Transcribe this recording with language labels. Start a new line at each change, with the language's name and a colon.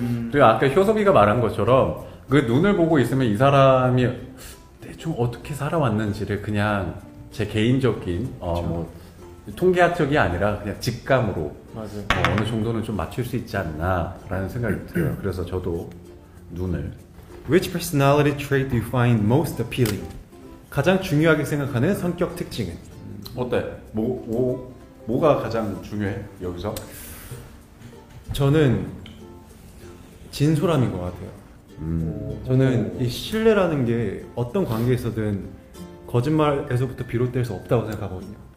Korean: 그리고 아까 효석이가 말한 것처럼 그 눈을 보고 있으면 이 사람이 대충 어떻게 살아왔는지를 그냥 제 개인적인 뭐 통계학적이 아니라 그냥 직감으로 맞아요. 어느 정도는 좀 맞출 수 있지 않나 라는 생각이 들어요. 그래서 저도 눈을.
English: Which personality trait do you find most appealing?
Korean: 가장 중요하게 생각하는 성격 특징은? 어때? 뭐가 가장 중요해? 여기서? 저는 진솔함인 것 같아요. 저는 이 신뢰라는 게 어떤 관계에서든 거짓말에서부터 비롯될 수 없다고 생각하거든요.